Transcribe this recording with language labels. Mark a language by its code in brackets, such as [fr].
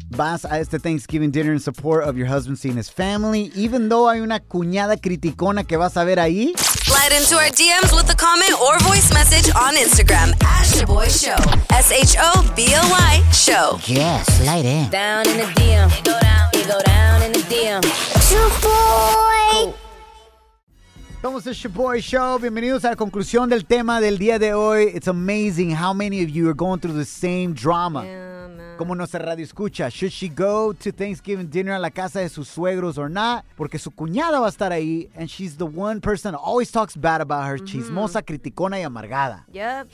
[es] ¿Vas a este [en] Thanksgiving dinner in support of your husband seeing his family? Even though [es] hay una cuñada criticona que vas a ver ahí. [en] Slide into our DMs with a comment or voice message on Instagram at Shaboy Show. S-H-O-B-O-Y Show. Yeah, slide in. Down in the DM. You go down in the DM. Shaboy. [es] Somos el Shaboy Show. Bienvenidos a la conclusión del tema del día de hoy. [en] It's amazing how many of you are going through the same drama. [es] Como nuestra radio escucha, [en] should she go to Thanksgiving dinner [es] a la casa de sus suegros [en] or not? [es] Porque su cuñada va a estar ahí, [en] and she's the one person that always talks bad about her, [es] chismosa, criticona y amargada. [en] Yep.